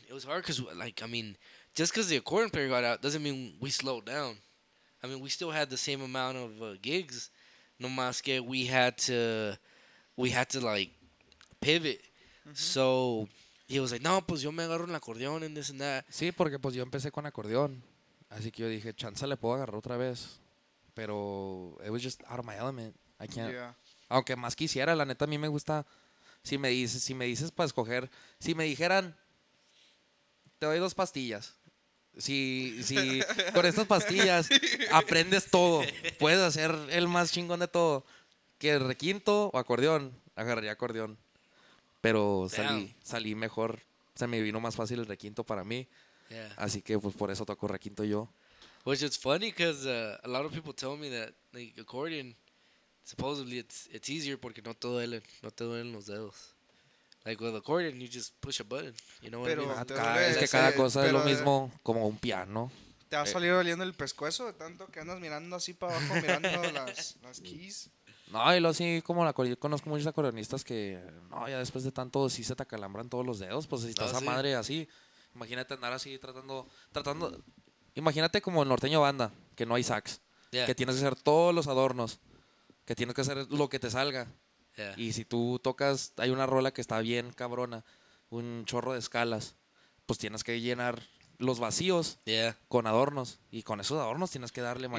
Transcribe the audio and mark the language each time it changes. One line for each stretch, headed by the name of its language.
English: It was hard because the accordion player got out doesn't mean we slowed down. I mean, we still had the same amount of gigs.
Spanish: No más que
English: we had to like pivot. Mm-hmm. So he was like,
Spanish: no, pues yo me agarro el acordeón
English: and this and that.
Spanish: Sí, porque pues yo empecé con acordeón. Así que yo dije, chance le puedo agarrar otra vez.
English: Pero it was just out of my element. I can't. Yeah.
Spanish: Aunque más quisiera, la neta a mí me gusta. Si me dices para escoger, si me dijeran, te doy dos pastillas. Si con estas pastillas aprendes todo, puedes hacer el más chingón de todo, que el requinto o acordeón, agarraría acordeón. Pero salí mejor, se me vino más fácil el requinto para mí.
English: Yeah.
Spanish: Así que pues por eso toco requinto yo.
English: Which is funny because a lot of people tell me that like accordion supposedly it's easier
Spanish: porque no te duelen, no te duelen los dedos.
English: Like with accordion, you just push a button. You know
Spanish: pero
English: what I mean?
Spanish: Es que cada cosa es lo mismo como un piano. ¿Te ha salido doliendo el pescuezo de tanto que andas mirando así para abajo, mirando las keys? No, y lo así como la yo conozco muchos acordeonistas que, no, ya después de tanto sí se te acalambran todos los dedos, pues si estás a madre así, imagínate andar así tratando, imagínate como el norteño banda, que no hay sax, que tienes que hacer todos los adornos, que tienes que hacer lo que te salga, y si tú tocas, hay una rola que está bien cabrona, un chorro de escalas, pues tienes que llenar los vacíos con adornos, y con esos adornos tienes que darle